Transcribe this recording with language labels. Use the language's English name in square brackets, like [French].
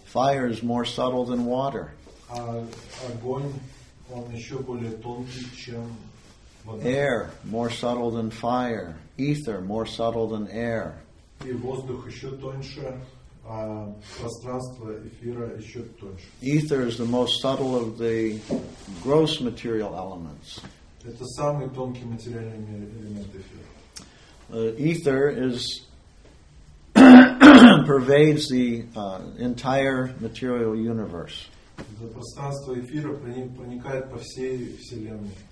[English] Fire is more subtle than water. [Russian] А огонь, он еще более тонкий, чем вода. [English] Air more subtle than fire. Ether more subtle than air. [Russian] И воздух еще тоньше. Пространство эфира еще тоньше. [English] Ether is the most subtle of the gross material elements. [Russian] Это самый тонкий материальный элемент эфира. [English] Ether is pervades the entire material universe. [Russian] Это пространство эфира проникает по всей вселенной.